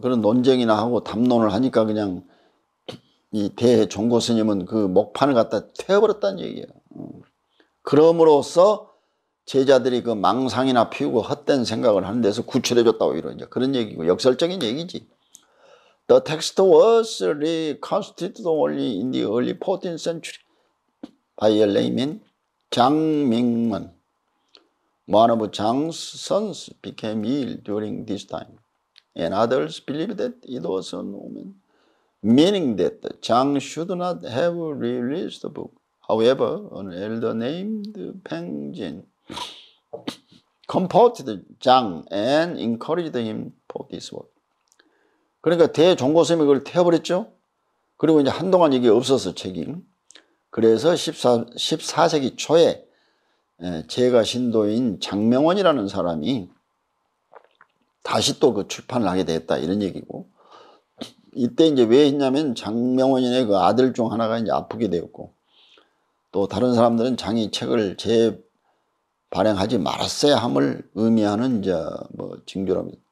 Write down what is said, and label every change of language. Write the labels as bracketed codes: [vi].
[ko] 그런 논쟁이나 하고 담론을 하니까 그냥 이 대종고 스님은 그 목판을 갖다 태워버렸단 얘기예요. 그럼으로써 제자들이 그 망상이나 피우고 헛된 생각을 하는 데서 구출해줬다고 이런 이제 그런 얘기고 역설적인 얘기지. [en] The text was reconstituted only in the early 14th century by a layman, 장밍문. One of Zhang's sons became ill during this time. And others believe that it was an omen, meaning that Zhang should not have released the book. However, an elder named Peng Jin comforted Zhang and encouraged him for this work. [ko] 그러니까 대종고 스님이 그걸 태워버렸죠? 그리고 이제 한동안 이게 없었어, 책이. 그래서 14세기 초에 제가 신도인 장명원이라는 사람이 다시 또그 출판을 하게 됐다 이런 얘기고 이때 이제 왜 했냐면 장명원인의 그 아들 중 하나가 이제 아프게 되었고 또 다른 사람들은 장이 책을 재발행하지 말았어야 함을 의미하는 이제 뭐 징조랍니다.